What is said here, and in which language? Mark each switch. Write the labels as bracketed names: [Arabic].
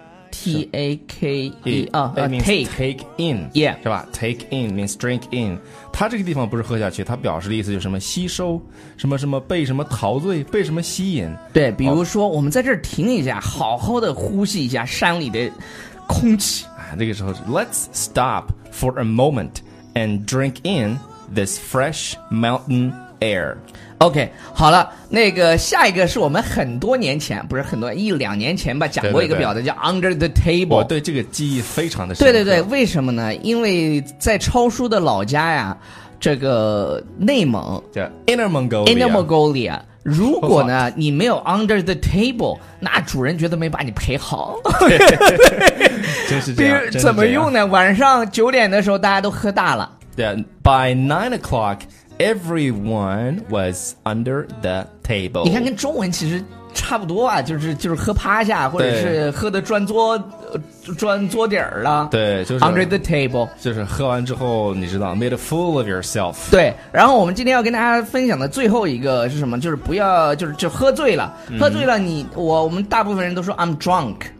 [English] take 啊 take in， yeah [Chinese] 是吧？ [English] take in means drink in， [Chinese] 它这个地方不是喝下去，它表示的意思就是什么吸收，什么什么被什么陶醉，被什么吸引。对，比如说我们在这儿停一下，好好的呼吸一下山里的空气。这个时候 [English] let's stop for a moment and drink in this fresh mountain air. [Chinese] OK, 好了，那个下一个是我们很多年前，不是很多，一两年前吧，讲过一个表的叫 Under the Table。我对这个记忆非常的深。对对对，为什么呢？因为在超叔的老家呀，这个内蒙 [English] 叫 Inner Mongolia。 Inner Mongolia。 [Chinese] 如果呢你没有 under the table， 那主人觉得没把你陪好。对对，就是这样。怎么用呢？晚上九点的时候大家都喝大了。 [English] 对， by 9 o'clock, everyone was under the table。 [Chinese] 你看跟中文其实差不多啊，就是喝趴下，或者是喝的钻桌底儿了。对，就是 [English] under the table， [Chinese] 就是喝完之后，你知道 [English] made a fool of yourself。 [Chinese] 对，然后我们今天要跟大家分享的最后一个是什么？就是不要，就喝醉了，喝醉了你，我们大部分人都说 [English] I'm drunk。